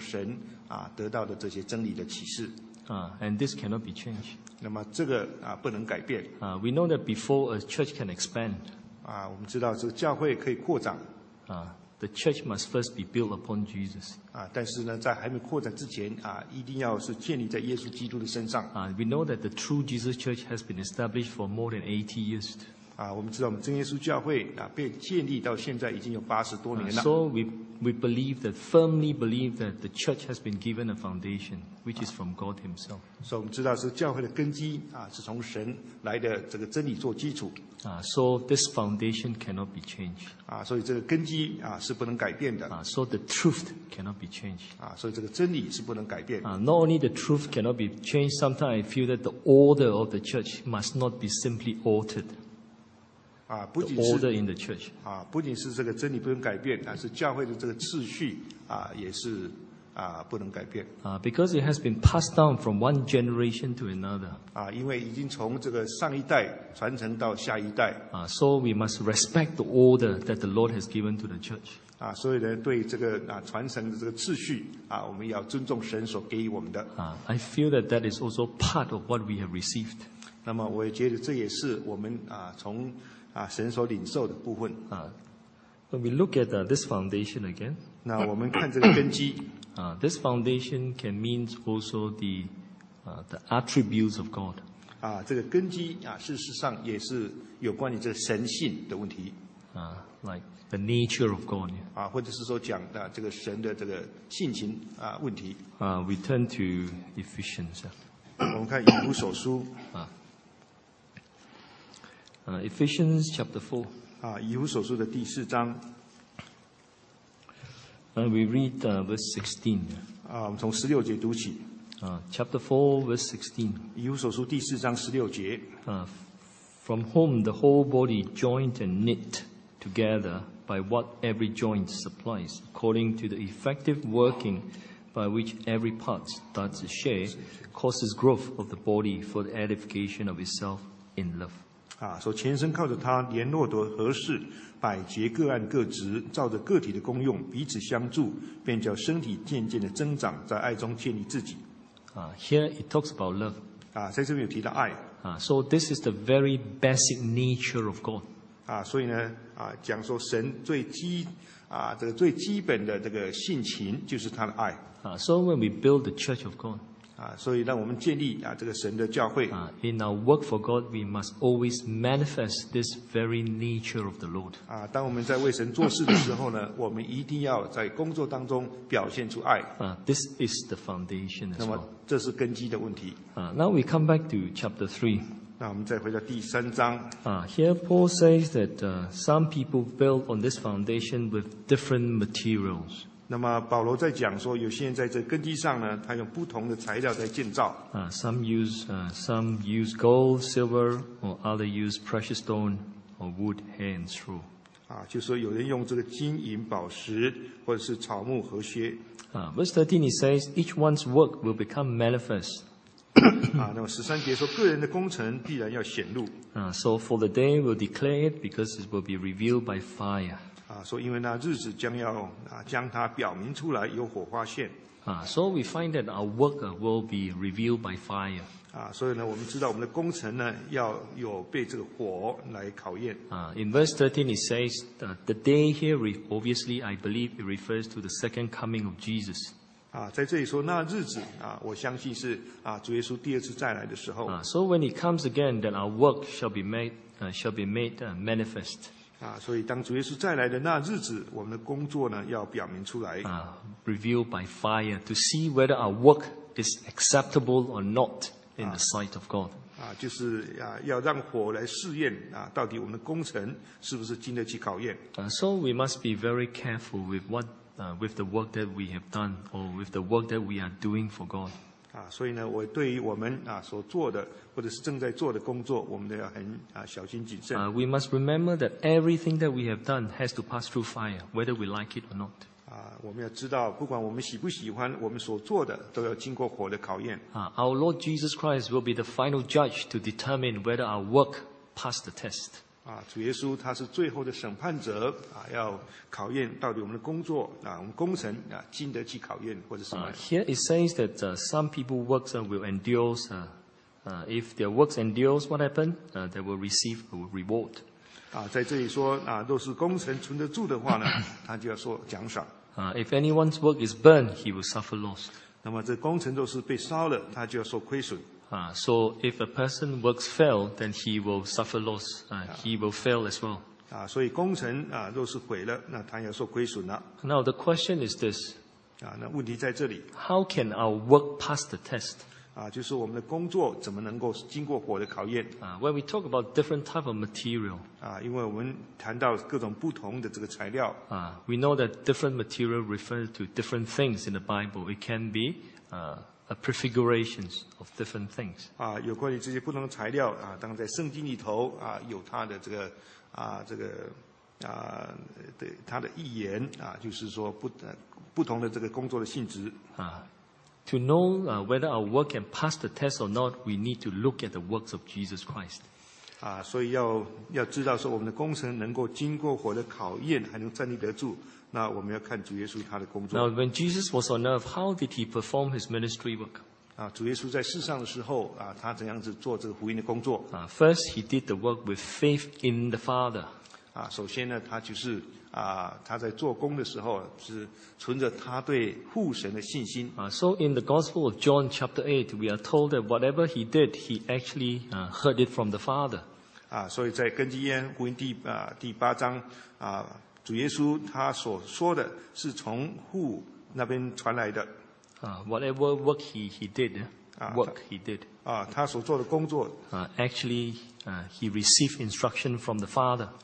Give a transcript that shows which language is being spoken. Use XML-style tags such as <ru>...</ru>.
<zh>那么在我在重新整理这些的时候，我就发觉到，就是早期的工人，他们是从神得到的这些真理的启示。</zh> <en>And this cannot be changed.</en> <zh>那么这个不能改变。</zh> <en>We know that before a church can expand.</en> <zh>我们知道这个教会可以扩展。</zh> <en>The church must first be built upon Jesus.</en> <zh>但是呢，在还没扩展之前，一定要是建立在耶稣基督的身上。</zh> <en>We know that the true Jesus Church has been established for more than 80 years.</en> <zh>我们知道我们真耶稣教会被建立到现在已经有80多年了。</zh> <en>So we believe that, firmly believe that the church has been given a foundation, which is from God Himself.</en> <zh>所以我们知道是教会的根基，是从神来的这个真理做基础。</zh> <en>So this foundation cannot be changed.</en> <zh>所以这个根基是不能改变的。</zh> <en>So the truth cannot be changed.</en> <zh>所以这个真理是不能改变。</zh> <en>Not only the truth cannot be changed, sometimes I feel that the order of the church must not be simply altered. order in the church.</en> <zh>啊，不仅是这个真理不能改变，但是教会的这个秩序啊，也是啊不能改变。</zh> <en>啊，because it has been passed down from one generation to another.</en> <zh>啊，因为已经从这个上一代传承到下一代。</zh> <en>啊，so we must respect the order that the Lord has given to the church.</en> <zh>啊，所以呢，对这个啊传承的这个秩序啊，我们要尊重神所给予我们的。</zh> <en>啊，I feel that that is also part of what we have received.</en> <zh>那么，我也觉得这也是我们啊从啊，神所领受的部分。</zh> <en>When we look at this foundation again,</en> <zh>那我们看这个根基。</zh> <en>This foundation can mean also the attributes of God.</en> <zh>啊，这个根基啊，事实上也是有关于这神性的问题。</zh> <en>Like the nature of God.</en> <zh>啊，或者是说讲的这个神的这个性情啊问题。</zh> <en>We turn to Ephesians.</en> <zh>我们看以弗所书。</zh> <en>Ephesians chapter 4.</en> <zh>啊，以弗所书的第四章。</zh> <en>We read verse 16.</en> <zh>啊，我们从十六节读起。</zh> <en>Chapter 4, verse 16.</en> <zh>以弗所书第四章十六节。</zh> <en>From whom the whole body joined and knit together by what every joint supplies, according to the effective working by which every part does its share, causes growth of the body for the edification of itself in love.</en> <zh>啊，说全身靠着他联络得合适，百节各按各职，照着个体的功用彼此相助，便叫身体渐渐的增长，在爱中建立自己。</zh> <en>Here it talks about love.</en> <zh>啊，在这边有提到爱。</zh> <en>So this is the very basic nature of God.</en> <zh>啊，所以呢，啊，讲说神最基啊这个最基本的这个性情就是他的爱。</zh> <en>So when we build the church of God.</en> <zh>所以让我们建立啊这个神的教会。</zh> <en>In our work for God, we must always manifest this very nature of the Lord.</en> <zh>啊，当我们在为神做事的时候呢，我们一定要在工作当中表现出爱。</zh> <en>This is the foundation as well.</en> <zh>那么这是根基的问题。</zh> <en>Now we come back to chapter 3.</en> <zh>那我们再回到第三章。</zh> <en>Here Paul says that some people build on this foundation with different materials.</en> <zh>那么保罗在讲说，有些人在这根基上呢，他用不同的材料在建造。</zh> <en>Some use gold, silver, or other use precious stone or wood, hay, and straw.</en> <zh>啊，就说有人用这个金银宝石，或者是草木和靴。</zh> <en>Verse 13 it says each one's work will become manifest.</en> <zh>啊，那么十三节说个人的工程必然要显露。</zh> <en>So for the day will declare it because it will be revealed by fire.</en> <zh>所以因为那日子将要将它表明出来，有火花线。</zh> <en>So we find that our work will be revealed by fire.</en> <zh>所以呢，我们知道我们的工程呢要有被这个火来考验。</zh> <en>In verse 13 it says the day here obviously I believe it refers to the second coming of Jesus.</en> <zh>在这里说那日子我相信是主耶稣第二次再来的时候。</zh> <en>So when he comes again, then our work shall be made manifest.</en> <zh>所以当主耶稣再来的那日子，我们的工作呢要表明出来。</zh> <en>Revealed by fire to see whether our work is acceptable or not in the sight of God.</en> <zh>就是要让火来试验到底我们的工程是不是经得起考验。</zh> <en>So we must be very careful with what with the work that we have done or with the work that we are doing for God.</en> <zh>所以呢，我对于我们所做的。或者是正在做的工作，我们都要很小心谨慎。</zh> <en>We must remember that everything that we have done has to pass through fire, whether we like it or not.</en> <zh>我们要知道，不管我们喜不喜欢，我们所做的都要经过火的考验。</zh> <en>Our Lord Jesus Christ will be the final judge to determine whether our work passed the test.</en> <zh>主耶稣他是最后的审判者要考验到底我们的工作我们工程经得起考验或者什么。</zh> <en>Here it says that some people works will endure. If their works endures, what happens? They will receive a reward.</en> <zh>在这里说若是工程存得住的话呢，他就要说奖赏。</zh> <en>If anyone's work is burned, he will suffer loss.</en> <zh>那么这工程若是被烧了，他就要说亏损。</zh> <en>So if a person's works fail, then he will suffer loss. He will fail as well.</en> <zh>所以工程若是毁了，那他要说亏损了。</zh> <en>Now the question is this.</en> <zh>那问题在这里。</zh> <en>How can our work pass the test?</en> <zh>就是我们的工作怎么能够经过火的考验。</zh> <en>When we talk about different type of material,</en> <zh>因为我们谈到各种不同的这个材料。</zh> <en>We know that different material refers to different things in the Bible. It can be prefigurations of different things.</en> <zh>啊，有关于这些不同的材料啊，当然在圣经里头啊，有它的这个啊，这个啊的它的预言啊，就是说不同的这个工作的性质啊。</zh> <en>To know whether our work can pass the test or not, we need to look at the works of Jesus Christ.</en> <zh>啊，所以要知道说我们的工程能够经过火的考验，还能站立得住。那我们要看主耶稣他的工作。</zh> <en>Now, when Jesus was on earth, how did he perform his ministry work?</en> <zh>啊，主耶稣在世上的时候啊，他怎样子做这个福音的工作？</zh> <en>啊 ，First, he did the work with faith in the Father.</en> <zh>啊，首先呢，他就是啊，他在做工的时候是存着他对父神的信心。</zh> <en>啊 ，So in the Gospel of John, chapter 8, we are told that whatever he did, he actually heard it from the Father.</en> <zh>啊，所以在根基耶福音第八章啊。主耶稣他所说的是从父那边传来的。</zh> <en>Whatever work he did.</en> <zh>啊，他所做的工作。</zh> <en>He received instruction from the Father.</en>